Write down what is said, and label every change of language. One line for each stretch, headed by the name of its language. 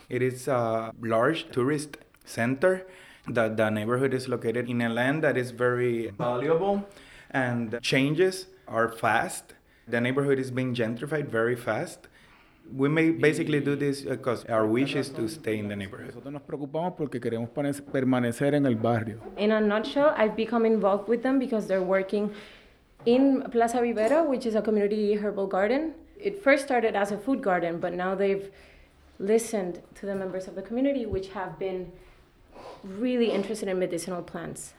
English: It is a large tourist center. The neighborhood is located in a land that is very valuable and changes are fast. The neighborhood is being gentrified very fast. We may basically do this because our wish is to stay in the neighborhood.
Spanish: Nosotros nos preocupamos porque queremos permanecer en el barrio.
English: In a nutshell, I've become involved with them because they're working in Plaza Rivera, which is a community herbal garden. It first started as a food garden, but now they've listened to the members of the community, which have been really interested in medicinal plants.